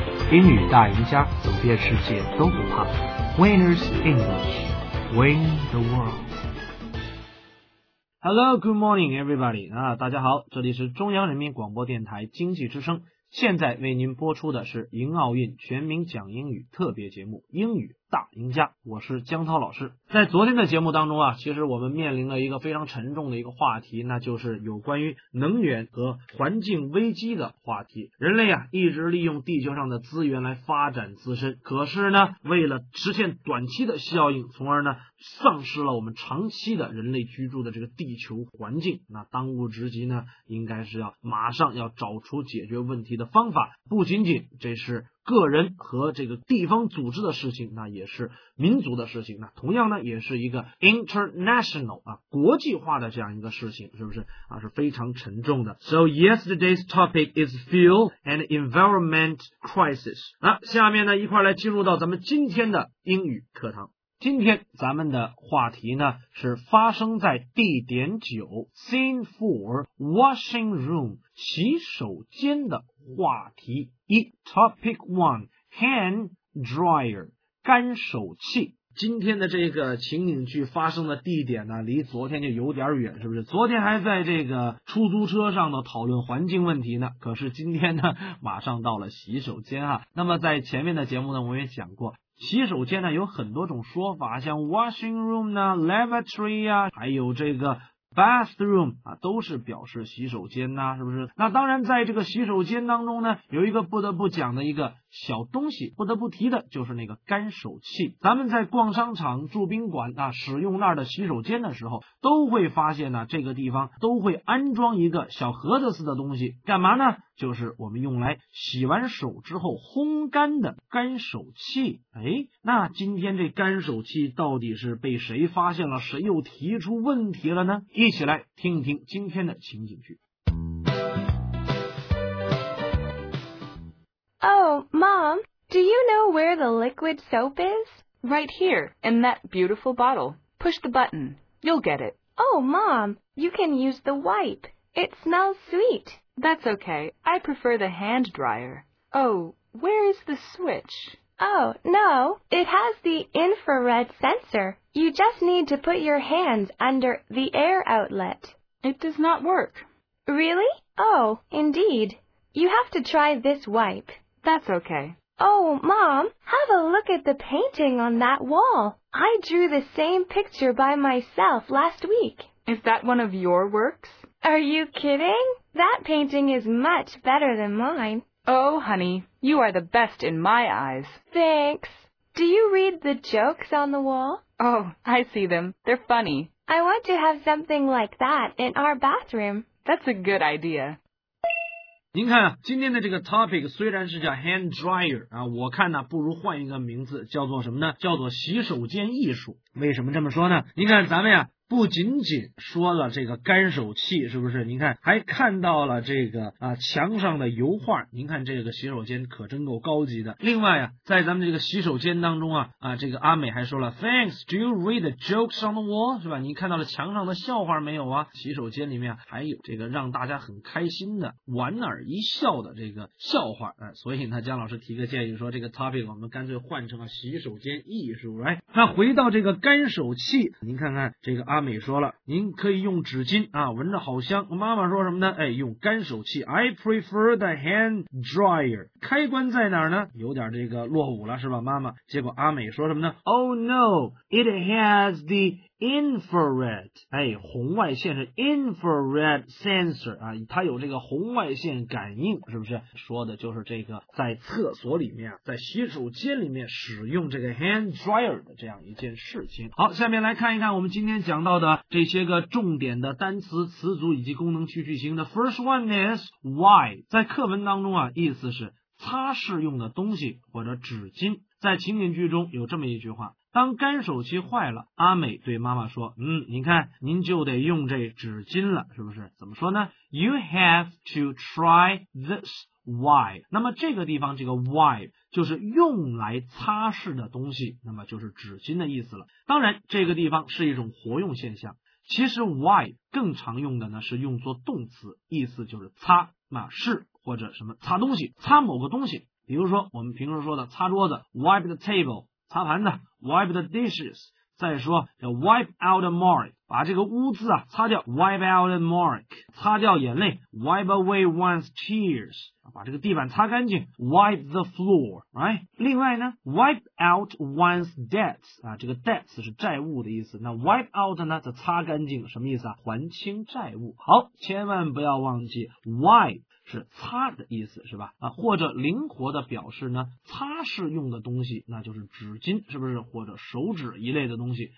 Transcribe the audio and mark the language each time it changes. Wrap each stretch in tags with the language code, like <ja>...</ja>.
<zh>英语大赢家，走遍世界都不怕。</zh> <en>Winners English, win the world. Hello, good morning, everybody.</en> <zh>大家好，这里是中央人民广播电台经济之声，现在为您播出的是迎奥运全民讲英语特别节目《英语大赢家》，我是江涛老师。在昨天的节目当中啊，其实我们面临了一个非常沉重的一个话题，那就是有关于能源和环境危机的话题。人类啊，一直利用地球上的资源来发展自身，可是呢，为了实现短期的效应，从而呢，丧失了我们长期的人类居住的这个地球环境。那当务之急呢，应该是要马上要找出解决问题的方法，不仅仅这是个人和这个地方组织的事情，那也是民族的事情，那同样呢也是一个 international 啊，国际化的这样一个事情，是不是啊？是非常沉重的。</zh> <en>So yesterday's topic is fuel and environment crisis.</en> <zh>那下面呢一块来进入到咱们今天的英语课堂。今天咱们的话题呢是发生在地点九</zh> <en>scene 4 washing room</en> <zh>洗手间的话题。一</zh> <en>topic 1 hand dryer</en> <zh>干手器。今天的这个情景剧发生的地点呢离昨天就有点远，是不是？昨天还在这个出租车上呢讨论环境问题呢，可是今天呢马上到了洗手间啊。那么在前面的节目呢我也讲过，洗手间呢有很多种说法，像 washing room 呢 lavatory 啊，还有这个bathroom 啊，都是表示洗手间呐、是不是？那当然在这个洗手间当中呢有一个不得不讲的一个小东西，不得不提的就是那个干手器。咱们在逛商场住宾馆啊，使用那儿的洗手间的时候，都会发现呢这个地方都会安装一个小盒子似的东西，干嘛呢？就是我们用来洗完手之后烘干的干手器。哎，那今天这干手器到底是被谁发现了，谁又提出问题了呢？一起来听一听今天的情景剧。</zh> <en>Oh, Mom, do you know where the liquid soap is? Right here, in that beautiful bottle. Push the button, you'll get it. Oh, Mom, you can use the wipe. It smells sweet. That's okay, I prefer the hand dryer. Oh, where is the switch? Oh, no, it has the infrared sensor. You just need to put your hands under the air outlet. It does not work. Really? Oh, indeed. You have to try this wipe. That's okay. Oh, Mom, have a look at the painting on that wall. I drew the same picture by myself last week. Is that one of your works? Are you kidding? That painting is much better than mine. Oh, honey, you are the best in my eyes. Thanks. Do you read the jokes on the wall? Oh, I see them. They're funny. I want to have something like that in our bathroom. That's a good idea.</en> <zh>您看啊，今天的这个 topic 虽然是叫 hand dryer 啊，我看呢不如换一个名字，叫做什么呢？叫做洗手间艺术。为什么这么说呢？您看咱们呀，不仅仅说了这个干手器，是不是？您看还看到了这个啊墙上的油画，您看这个洗手间可真够高级的。另外啊，在咱们这个洗手间当中啊这个阿美还说了</zh> <en>thanks, do you read the jokes on the wall?</en> <zh>是吧？您看到了墙上的笑话没有啊？洗手间里面还有这个让大家很开心的莞尔一笑的这个笑话啊，所以呢江老师提个建议说，这个 topic 我们干脆换成了洗手间艺术。</zh> <en>right?</en> <zh>那回到这个干手器，您看看这个阿美说了，您可以用纸巾啊，闻着好香。妈妈说什么呢？哎，用干手器。</zh> <en>I prefer the hand dryer。</en> <zh>开关在哪儿呢？有点这个落伍了，是吧，妈妈？结果阿美说什么呢 ？</zh> <en>Oh no, it has the infrared。</en> <zh>哎，红外线是 infrared sensor 啊，它有这个红外线感应，是不是？说的就是这个在厕所里面，在洗手间里面使用这个 hand dryer 的这样一件事情。好，下面来看一看我们今天讲到的这些个重点的单词、词组以及功能区句型的。</zh> <en>First one is why，</en> <zh>在课文当中啊，意思是擦拭用的东西或者纸巾。在情景剧中有这么一句话，当干手器坏了，阿美对妈妈说，嗯，您看您就得用这纸巾了，是不是？怎么说呢？</zh> <en>You have to try this wipe。</en> <zh>那么这个地方这个 wipe 就是用来擦拭的东西，那么就是纸巾的意思了。当然这个地方是一种活用现象，其实 wipe 更常用的呢是用作动词，意思就是擦、是或者什么擦东西、擦某个东西。比如说我们平时说的擦桌子</zh> <en>wipe the table,</en> <zh>擦盘子</zh> <en>wipe the dishes,</en> <zh>再说</zh> <en>wipe out the mark,</en> <zh>把这个污渍啊擦掉 wipe out the mark, 擦掉眼泪</zh> <en>wipe away one's tears,</en> <zh>把这个地板擦干净</zh> <en>wipe the floor, right?</en> <zh>另外呢</zh> <en>wipe out one's debts,</en> <zh>啊这个 debts 是债务的意思，那 wipe out 呢则擦干净，什么意思啊？还清债务。好，千万不要忘记 wipe,是擦的意思是吧，啊，或者灵活的表示呢擦拭用的东西，那就是纸巾是不是，或者手指一类的东西。</zh>